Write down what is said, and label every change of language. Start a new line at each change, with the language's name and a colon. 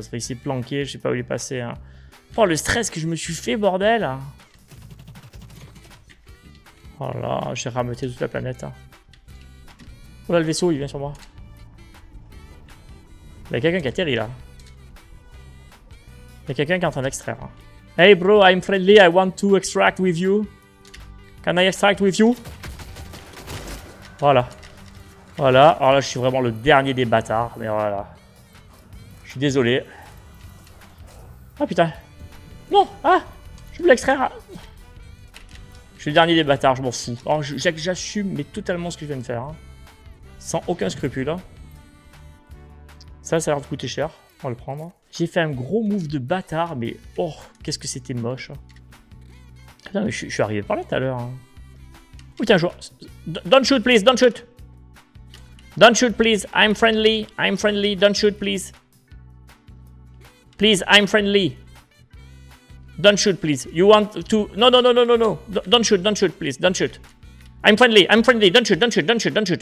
French: C'est vrai qu'il s'est planqué, je sais pas où il est passé. Hein. Oh, le stress que je me suis fait, bordel. Hein. Oh là, j'ai rameuté toute la planète. Hein. Oh là, le vaisseau, il vient sur moi. Il y a quelqu'un qui atterrit, là. Il y a quelqu'un qui est en train d'extraire. Hein.
English: Hey, bro, I'm friendly, I want to extract with you. Can I extract with you?
French: Voilà. Voilà. Alors là, je suis vraiment le dernier des bâtards. Mais voilà. Je suis désolé. Ah putain. Non. Ah. Je voulais extraire. Je suis le dernier des bâtards. Je m'en fous. Alors, j'assume mais totalement ce que je viens de faire. Hein. Sans aucun scrupule. Hein. Ça a l'air de coûter cher. On va le prendre. J'ai fait un gros move de bâtard. Mais oh, qu'est-ce que c'était moche. Putain, mais je suis arrivé par là tout à l'heure. Hein. Oh, tiens, joueur.
English: Don't shoot, please, don't shoot. Don't shoot, please, I'm friendly, don't shoot, please. Please, I'm friendly. Don't shoot, please. You want to... No, no, no, no, no, no. Don't shoot, please, don't shoot. I'm friendly, don't shoot, don't shoot, don't shoot, don't shoot.